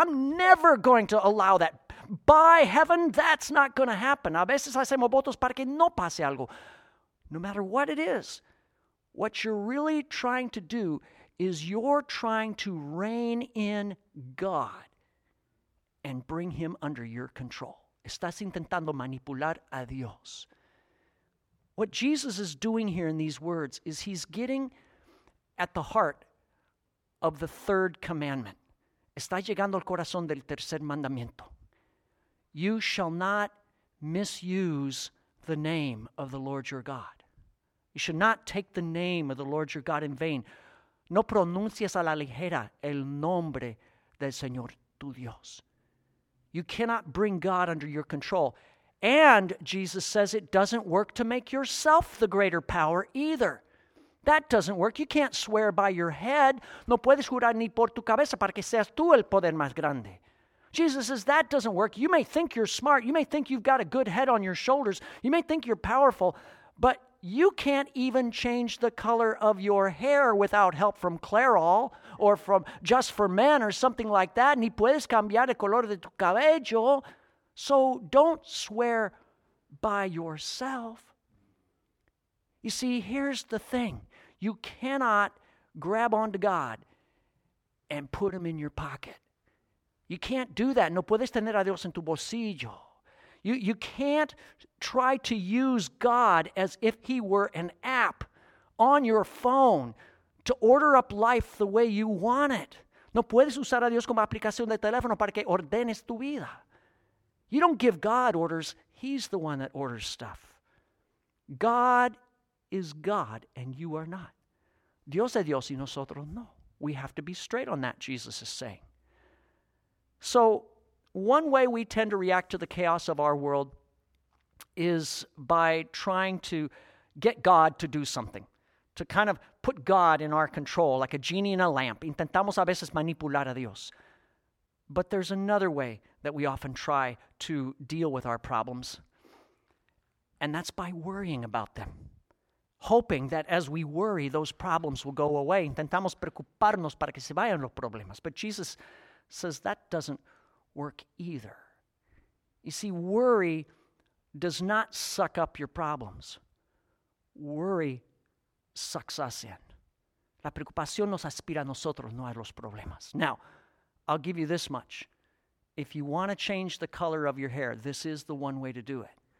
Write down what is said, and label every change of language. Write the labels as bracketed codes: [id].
[en] I'm never going to allow that. By heaven, that's not going to happen. [es] A veces hacemos votos para que no pase algo. [en] No matter what it is, what you're really trying to do is you're trying to rein in God and bring him under your control. [es] Estás intentando manipular a Dios. [en] What Jesus is doing here in these words is he's getting at the heart of the third commandment. [es] Está llegando al corazón del tercer mandamiento. [en] You shall not misuse the name of the Lord your God. You should not take the name of the Lord your God in vain. [es] No pronuncies a la ligera el nombre del Señor tu Dios. [en] You cannot bring God under your control. And Jesus says it doesn't work to make yourself the greater power either. That doesn't work. You can't swear by your head. [es] No puedes jurar ni por tu cabeza para que seas tú el poder más grande. [en] Jesus says that doesn't work. You may think you're smart. You may think you've got a good head on your shoulders. You may think you're powerful, but you can't even change the color of your hair without help from Clairol or from Just for Men or something like that. [es] Ni puedes cambiar el color de tu cabello. [en] So don't swear by yourself. You see, here's the thing. You cannot grab onto God and put him in your pocket. You can't do that. [es] No puedes tener a Dios en tu bolsillo. [en] You can't try to use God as if he were an app on your phone to order up life the way you want it. [es] No puedes usar a Dios como aplicación de teléfono para que ordenes tu vida. [en] You don't give God orders. He's the one that orders stuff. God is God and you are not. [es] Dios es Dios y nosotros no. [en] We have to be straight on that, Jesus is saying. So one way we tend to react to the chaos of our world is by trying to get God to do something, to kind of put God in our control, like a genie in a lamp. [es] Intentamos a veces manipular a Dios. [en] But there's another way that we often try to deal with our problems, and that's by worrying about them, hoping that as we worry, those problems will go away. [es] Intentamos preocuparnos para que se vayan los problemas. [en] But Jesus says that doesn't work either. You see, worry does not suck up your problems. Worry sucks us in. [es] La preocupación nos aspira a nosotros, no a los problemas. [en] Now, I'll give you this much. If you want to change the color of your hair, this is the one way to do it.